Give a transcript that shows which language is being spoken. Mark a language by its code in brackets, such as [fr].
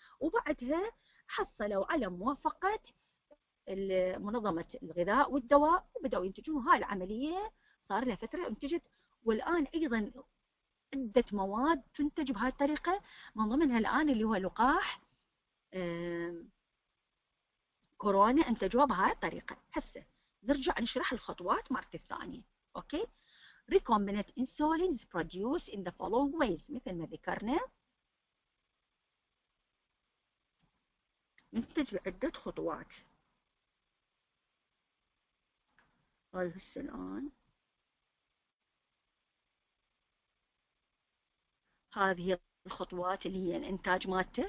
[ar] وبعدها حصلوا على موافقه منظمه الغذاء والدواء وبداوا ينتجون هاي العمليه. صار لها فتره انتجت، والان ايضا عده مواد تنتج بهاي الطريقه من ضمنها الان اللي هو لقاح كورونا انتجوه بهاي الطريقه. هسه نرجع نشرح الخطوات مرة الثانية. [en] Okay recombinant insulin is produced in the following ways. [ar] مثل ما ذكرنا ننتج عدة خطوات. هاي هسه الآن هذه الخطوات اللي هي الإنتاج مالته.